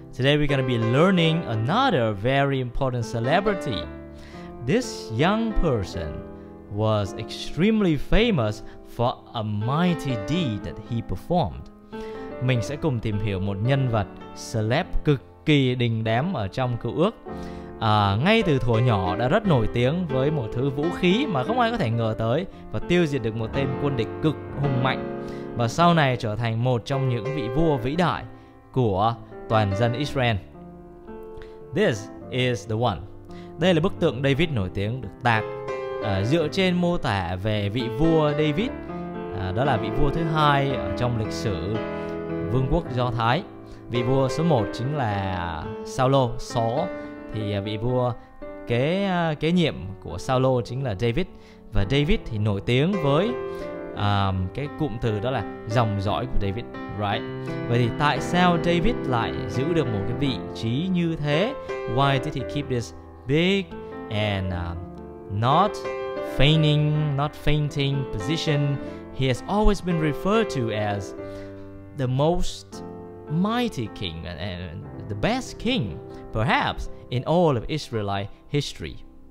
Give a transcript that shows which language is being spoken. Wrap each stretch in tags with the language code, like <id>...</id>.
<en>Today we're going to be learning another very important celebrity. This young person was extremely famous for a mighty deed that he performed.</en> <vi>Mình sẽ cùng tìm hiểu một nhân vật celeb cực kỳ đình đám ở trong Cựu Ước. Ngay từ thuở nhỏ đã rất nổi tiếng với một thứ vũ khí mà không ai có thể ngờ tới và tiêu diệt được một tên quân địch cực hùng mạnh, và sau này trở thành một trong những vị vua vĩ đại của toàn dân Israel. This is the one. Đây là bức tượng David nổi tiếng được tạc dựa trên mô tả về vị vua David, đó là vị vua thứ hai ở trong lịch sử vương quốc Do Thái. Vị vua số 1 chính là Saulo, Saul. Thì vị vua kế nhiệm của Saulo chính là David. Và David thì nổi tiếng với cái cụm từ đó là dòng dõi của David, right? Vậy thì tại sao David lại giữ được một cái vị trí như thế?</vi> <en>Why did he keep this big and not fainting position? He has always been referred to as the most mighty king and the best king, perhaps, in all of Israelite history.</en>